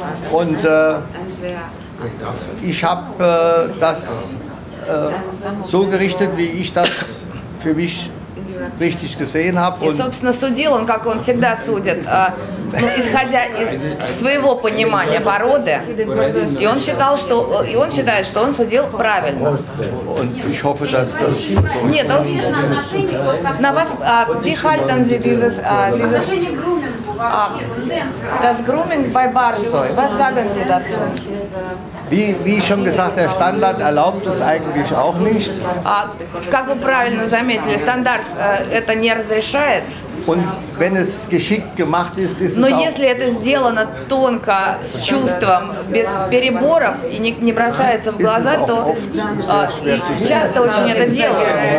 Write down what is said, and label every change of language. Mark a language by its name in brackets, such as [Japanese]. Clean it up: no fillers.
[German] Und ich habe das so gerichtet, wie ich das für mich richtig gesehen habe. [Russian] И, собственно, судил он, как он всегда судит, исходя из своего понимания породы. И он считал, что, и он считает, что он судил правильно. [German] Und ich hoffe, dass das [Russian] нет, он на вас, [German] wie halten Sie dieses das Grooming bei Barzoi? Was sagen Sie dazu? Wie schon gesagt, der Standard erlaubt es eigentlich auch nicht. [Russian] Как вы правильно заметили, стандарт это не разрешает. [German] Und wenn es geschickt gemacht ist, ist [Russian] Но [German] es [Russian] если [German] auch [Russian] это сделано тонко, с чувством, без переборов и не бросается в глаза, то часто очень это делают.